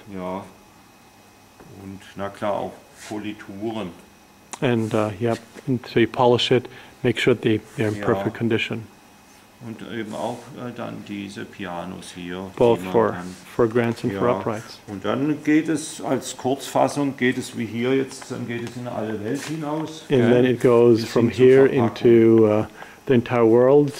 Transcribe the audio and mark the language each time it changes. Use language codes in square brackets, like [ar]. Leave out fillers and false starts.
[de] Ja, und na klar auch Polituren. [en] And, yep, and so you polish it, make sure they're in perfect condition. [de] Und eben auch dann diese Pianos hier. [en] Both for grands and for uprights. [de] Und dann geht es als Kurzfassung, geht es wie hier jetzt, dann geht es in alle Welt hinaus. [en] And then it goes from here into the entire world.